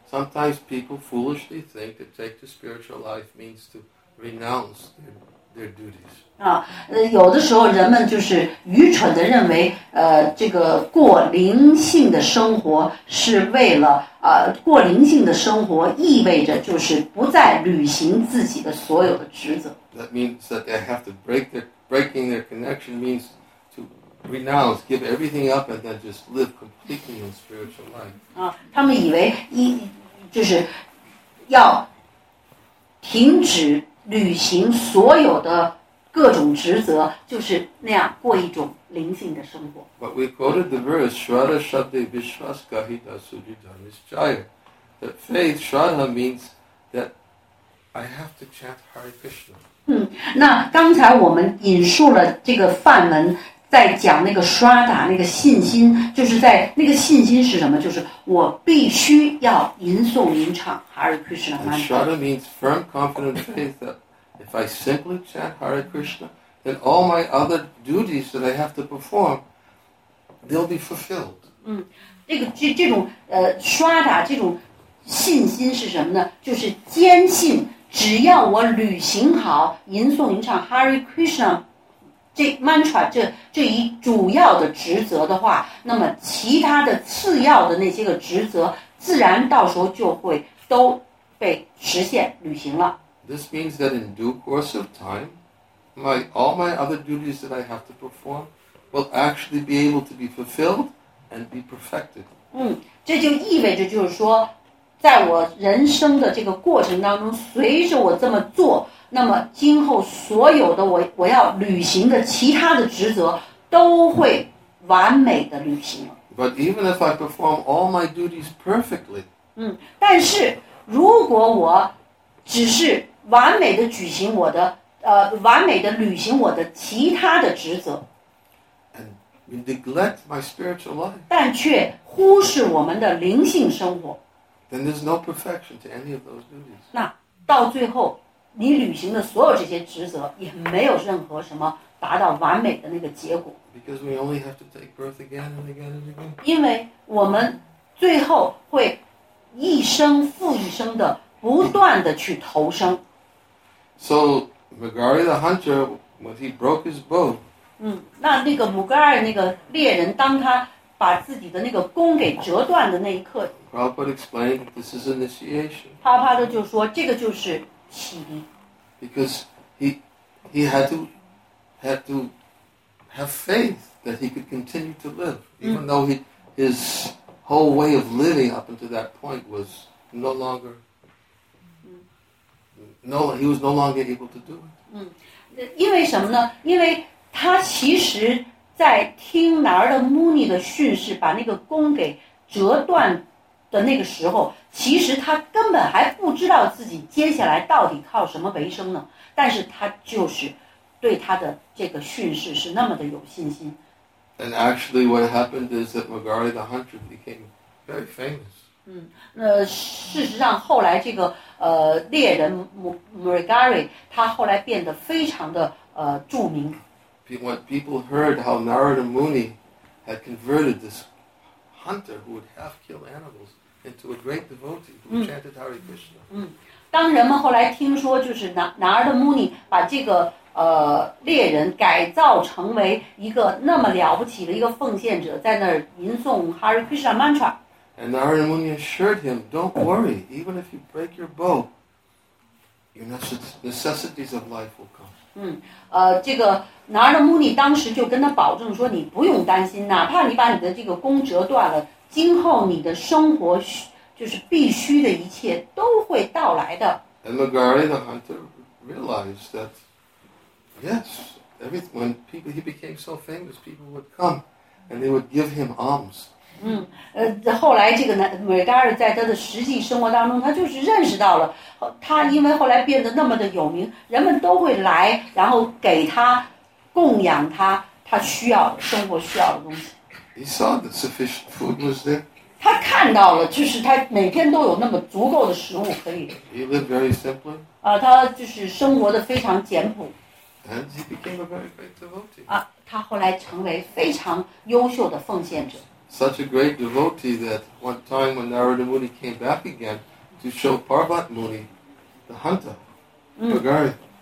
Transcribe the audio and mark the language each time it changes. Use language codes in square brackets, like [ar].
[en] Sometimes Sometimes people foolishly think that take the spiritual life means to renounce their duties. [zh] 有的时候人们就是愚蠢地认为，这个过灵性的生活是为了，过灵性的生活意味着就是不再履行自己的所有的职责。 [en] That means that they have to breaking their connection means to renounce, give everything up, and then just live completely in spiritual life. [zh] 他们以为就是要停止履行所有的各种职责，就是那样过一种灵性的生活。 [en] But we quoted the verse, Shraddha Shabde Vishwas Gahita Sujidhanis Jaya. That faith, Shraddha, means that I have to chant Hare Krishna. [zh] 那刚才我们引述了这个梵文，在讲那个刷打那个信心，就是在那个信心是什么？就是我必须要吟诵吟唱 Hare Krishna mantra. [en] Shraddha means firm, confident faith that if I simply chant Hare Krishna, then all my other duties that I have to perform, they'll be fulfilled. [zh] 这种刷打这种信心是什么呢？就是坚信只要我履行好吟诵吟唱 Hare Krishna。这 mantra 这一主要的职责的话，那么其他的次要的那些个职责，自然到时候就会都被实现履行了。 [en] This means that in due course of time, all my other duties that I have to perform will actually be able to be fulfilled and be perfected. [zh] 这就意味着就是说，在我人生的这个过程当中，随着我这么做，那么今后所有的我要履行的其他的职责都会完美的履行了。 [en] But even if I perform all my duties perfectly, [zh] 但是如果我只是完美的举行我的完美的履行我的其他的职责 [en] ，and we neglect my spiritual life, [zh] 但却忽视我们的灵性生活 [en] ，then there's no perfection to any of those duties. [zh] 那到最后。你履行的所有这些职责也没有任何什么达到完美的那个结果。 [en] Because we only have to take birth again and again and again. [zh] 因为我们最后会一生复一生的不断的去投生。 [en] So, Mugari the hunter, when he broke his bow. [zh] 那个 Mugari 那个猎人，当他把自己的那个弓给折断的那一刻。 [en] Prabhupada explained this is initiation. [zh] 啪啪的就说这个就是。 [en] Because he had to have faith that he could continue to live, even though his whole way of living up until that point was no longer he was no longer able to do it. [zh] 因为什么呢？因为他其实在听哪儿的 Muni 的训示，把那个弓给折断。的那个时候，其实他根本还不知道自己接下来到底靠什么为生呢。但是他就是对他的这个训示是那么的有信心。 [en] And actually, what happened is that Mugari the hunter became very famous. [zh] 那事实上后来这个猎人 Mugari 他后来变得非常的著名。 [en] When people heard how Narada Muni had converted this. Hunter who would half kill animals into a great devotee who chanted Hare Krishna. [zh] 当人们后来听说，就是Narada Muni把这个猎人改造成为一个那么了不起的一个奉献者，在那儿吟诵 Hare Krishna mantra. [en] And Narada Muni assured him, "Don't worry. Even if you break your bow, your necessities of life will come." [zh] 这个。 Narada Muni 当时就跟他保证说：“你不用担心，哪怕你把你的这个弓折断了，今后你的生活就是必须的一切都会到来的。” [en] And Mugari the hunter realized that, yes, when he became so famous, people would come and they would give him alms. [zh] 后来这个Mugari在他的实际生活当中，他就是认识到了，他因为后来变得那么的有名，人们都会来，然后给他。供养他，他需要生活需要的东西。 [en] He saw that sufficient food was there. [zh] 他看到了，就是他每天都有那么足够的食物可以。 [en] He lived very simply. [zh] 他就是生活的非常简朴。 [en] And he became a very great devotee. [zh] 他后来成为非常优秀的奉献者。 [en] such a great devotee that one time when Narada Muni came back again to show Parvat Muni the hunter, Bhagari.